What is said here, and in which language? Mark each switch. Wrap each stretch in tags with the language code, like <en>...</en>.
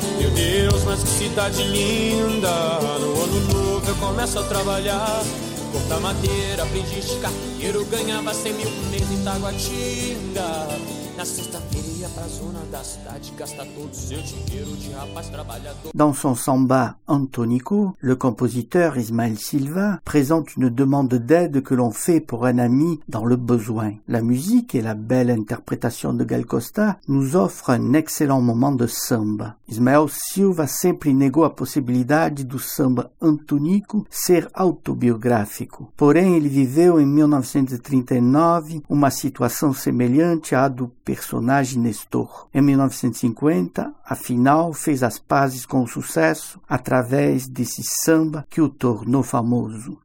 <pt>Meu Deus, mas que cidade linda. No ano novo eu começo a trabalhar, cortar madeira, aprendiz de carpinteiro, ganhava 100 mil por mês em Taguatinga. Na sexta-feira ia pra zona da cidade, gasta todo seu dinheiro de rapaz trabalhador.</pt> <fr>Dans son samba Antonico, le compositeur Ismaël Silva présente une demande d'aide que l'on fait pour un ami dans le besoin. La musique et la belle interprétation de Gal Costa nous offrent un excellent moment de samba.</fr> <pt>Ismaël Silva sempre negou a possibilidade do samba Antonico ser autobiográfico. Porém, ele viveu em 1939 uma situação semelhante à do personagem Nestor. Em 1950, afinal, fez as pazes com o sucesso através desse samba que o tornou famoso.</pt>